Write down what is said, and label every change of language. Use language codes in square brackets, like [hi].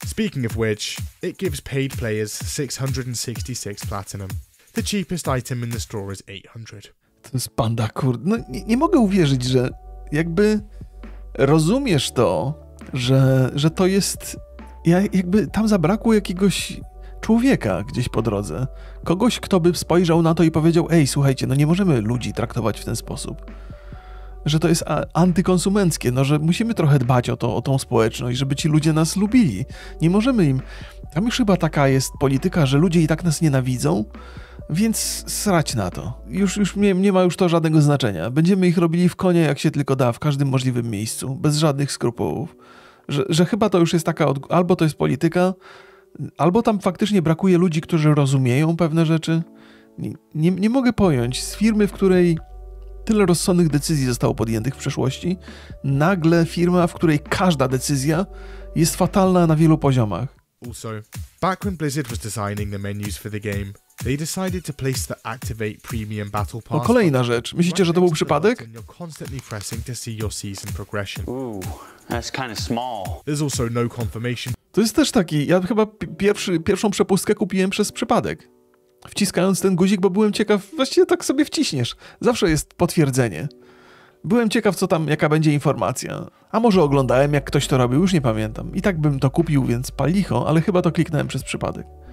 [en] Speaking of which, it gives paid players 666 platinum. The cheapest item in the store is 800. [pl] To jest banda, kurde. No, nie mogę uwierzyć, że jakby rozumiesz to, że to jest... Jakby tam zabrakło jakiegoś człowieka gdzieś po drodze. Kogoś, kto by spojrzał na to i powiedział: ej, słuchajcie, no nie możemy ludzi traktować w ten sposób. Że to jest antykonsumenckie, no że musimy trochę dbać o tą społeczność, żeby ci ludzie nas lubili. Nie możemy im... Tam już chyba taka jest polityka, że ludzie i tak nas nienawidzą, więc srać na to. Już nie ma już to żadnego znaczenia. Będziemy ich robili w konia, jak się tylko da, w każdym możliwym miejscu, bez żadnych skrupułów. Że chyba to już jest taka... Albo to jest polityka, albo tam faktycznie brakuje ludzi, którzy rozumieją pewne rzeczy. Nie mogę pojąć. Z firmy, w której tyle rozsądnych decyzji zostało podjętych w przeszłości, nagle firma, w której każda decyzja jest fatalna na wielu poziomach. [en] Also, back when Blizzard was designing the menus for the game, they decided to place the activate premium battle pass. [pl] No, kolejna rzecz. Myślicie, że to był przypadek? [en] You're constantly pressing to see your season progression. Ooh, that's kind of small. There's also no confirmation. [pl] To jest też taki, ja chyba pierwszą przepustkę kupiłem przez przypadek. Wciskając ten guzik, bo byłem ciekaw, właściwie tak sobie wciśniesz. Zawsze jest potwierdzenie. Byłem ciekaw, co tam, jaka będzie informacja. A może oglądałem, jak ktoś to robił, już nie pamiętam. I tak bym to kupił, więc palicho, ale chyba to kliknąłem przez przypadek.